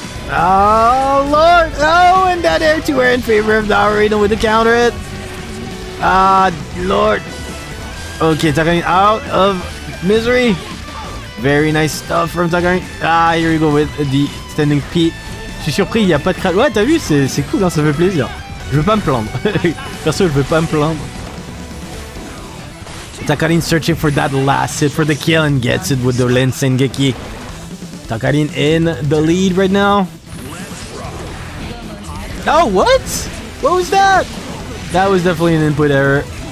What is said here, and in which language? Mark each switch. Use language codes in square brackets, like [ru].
[en] Oh, Lord! Oh, and that air to air in favor of Darino with the counter hit. Ah, Lord. Okay, Takarin out of misery. Very nice stuff from Takarin. Ah, here we go with the standing P. [fr] Je suis surpris, il y a pas de crack. Ouais, t'as vu, c'est cool, hein, ça fait plaisir. Je veux pas me plaindre. Perso, je veux pas me plaindre. [en] Takarin searching for that last hit for the kill and gets it with the Lensengeki. Takarin in the lead right now. Oh, what? What was that? That was definitely an input error.